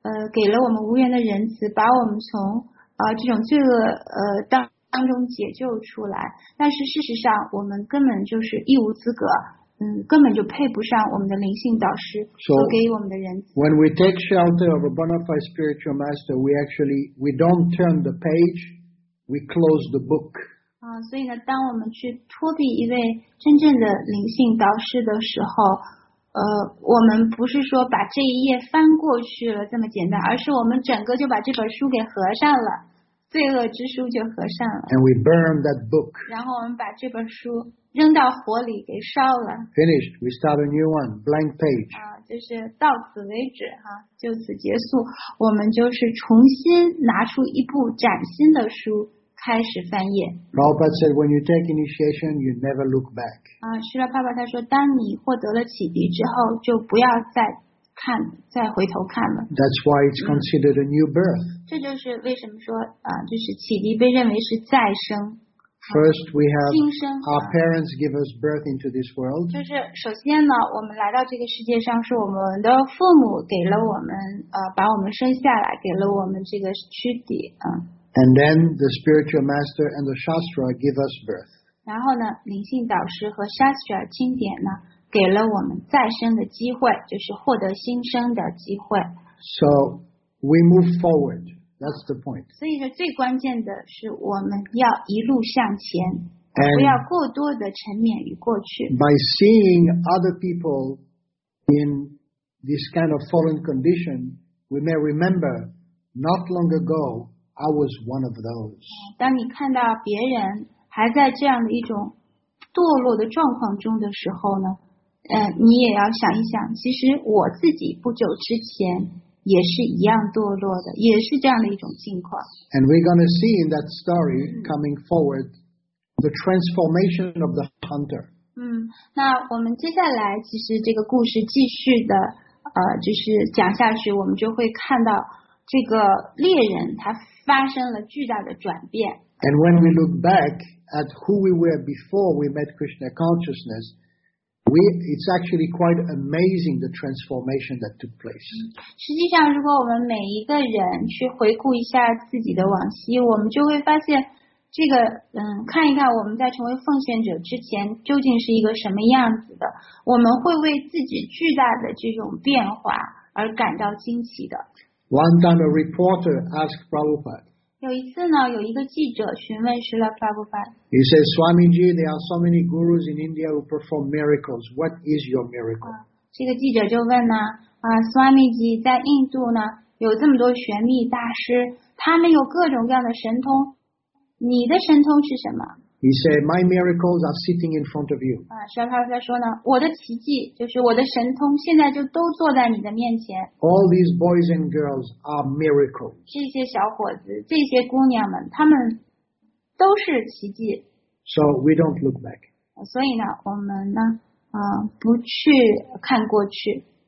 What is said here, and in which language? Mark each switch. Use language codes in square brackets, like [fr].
[zh] 给了我们无缘的仁慈，把我们从这种罪恶当中解救出来，但是事实上我们根本就是一无资格，根本就配不上我们的灵性导师所给我们的仁慈。 [en] So, when we take shelter of a bona fide spiritual master, we don't turn the page, we close the book. [zh] 所以呢，当我们去脱离一位真正的灵性导师的时候，我们不是说把这一页翻过去了这么简单，而是我们整个就把这本书给合上了，罪恶之书就合上了。 [en] And we burn that book. [zh] 然后我们把这本书扔到火里给烧了。 [en] Finished. We start a new one. Blank page. [zh] 就是到此为止哈，就此结束。我们就是重新拿出一部崭新的书开始翻页。 [en] Prabhupada said, when you take initiation, you never look back. [zh] 师父他说，当你获得了启迪之后，就不要再看，再回头看了。 [en] That's why it's considered a new birth. [zh] 这就是为什么说就是启迪被认为是再生。 [en] First, we have our parents give us birth into this world. [zh] 就是首先呢，我们来到这个世界上，是我们的父母给了我们把我们生下来，给了我们这个躯体 [en] And then the spiritual master and the shastra give us birth. [zh] 然后呢，灵性导师和 shastra 经典呢，给了我们再生的机会，就是获得新生的机会。 [en] So we move forward. That's the point. [zh] 所以说，最关键的是我们要一路向前，不要过多的沉湎于过去。 [en] By seeing other people in this kind of fallen condition, we may remember not long ago. I was one of those. [zh] 当你看到别人还在这样的一种堕落的状况中的时候呢，你也要想一想，其实我自己不久之前也是一样堕落的，也是这样的一种境况。 [en] And we're going to see in that story coming forward the transformation of the hunter. [zh] 那我们接下来其实这个故事继续的就是讲下去，我们就会看到这个猎人他发生了巨大的转变。 [en] And when we look back at who we were before we met Krishna consciousness, it's actually quite amazing the transformation that took place. [zh] 实际上，如果我们每一个人去回顾一下自己的往昔，我们就会发现，这个看一看我们在成为奉献者之前究竟是一个什么样子的，我们会为自己巨大的这种变化而感到惊奇的。 [en] One time a reporter asked Prabhupada. [zh] 有一次呢，有一个记者询问师父 Prabhupada. [en] He says, Swamiji, there are so many gurus in India who perform miracles. What is your miracle? [zh] 这个记者就问呢，Swamiji, 在印度呢，有这么多玄秘大师，他们有各种各样的神通，你的神通是什么？ [en] He said, my miracles are sitting in front of you. [zh] 师父他说呢，我的奇迹就是我的神通现在就都坐在你的面前。 [en] All these boys and girls are miracles. [zh] 这些小伙子，这些姑娘们，他们都是奇迹。 [en] So we don't look back. [zh] 所以呢，我们呢，不去看过去。